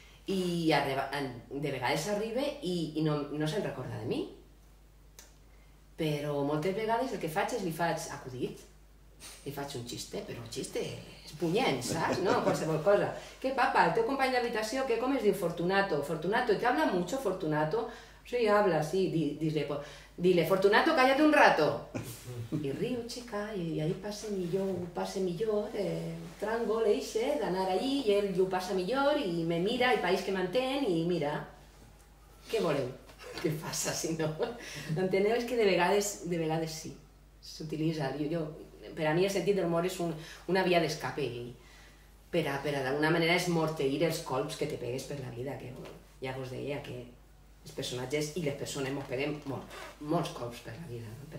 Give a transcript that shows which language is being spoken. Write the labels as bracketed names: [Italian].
[Catalan] I de vegades arriba i no se'n recorda de mi. Però moltes vegades el que faig és li faig acudit. Li faig un xiste, però un xiste és punyent, saps? No, qualsevol cosa. Què, papa, el teu company d'habitació, què, com es diu? Fortunato. [Spanish] Fortunato, ¿te habla mucho, Fortunato? Sí, habla, sí, dile, pues, dile, Fortunato, cállate un rato. [Catalan] I riu, xica, i ahí passa millor, trango l'eixe d'anar allí, i ell ho passa millor, i me mira, el país que m'entén, i mira, què voleu? Què passa, si no? Enteneu? És que de vegades sí, s'utilitza. Per a mi el sentit de l'humor és una via d'escape, i per a d'alguna manera esmorteir els colps que te pegues per la vida, que ja us deia que els personatges i les persones ens peguem molts cops per la vida, no?